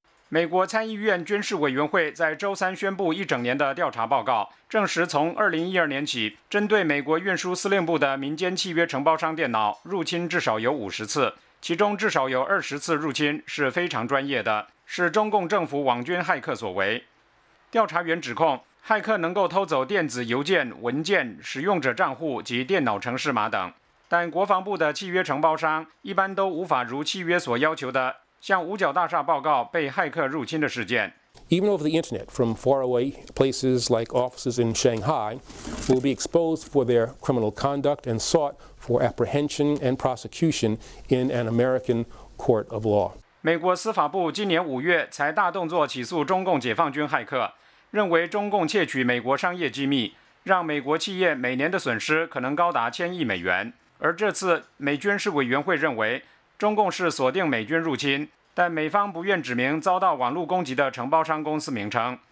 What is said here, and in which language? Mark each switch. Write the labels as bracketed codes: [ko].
[zh] 美国参议院军事委员会在周三宣布一整年的调查报告，证实从2012年起，针对美国运输司令部的民间契约承包商电脑入侵至少有50次，其中至少有20次入侵是非常专业的，是中共政府网军骇客所为。调查员指控，骇客能够偷走电子邮件、文件、使用者账户及电脑程式码等，但国防部的契约承包商一般都无法如契约所要求的向五角大厦报告被骇客入侵的事件。 [en] Even over the internet, from faraway places like offices in Shanghai, will be exposed for their criminal conduct and sought for apprehension and prosecution in an American court of law. [zh] 美国司法部今年五月才大动作起诉中共解放军骇客，认为中共窃取美国商业机密，让美国企业每年的损失可能高达千亿美元。而这次美军事委员会认为，中共是锁定美军入侵，但美方不愿指明遭到网络攻击的承包商公司名称。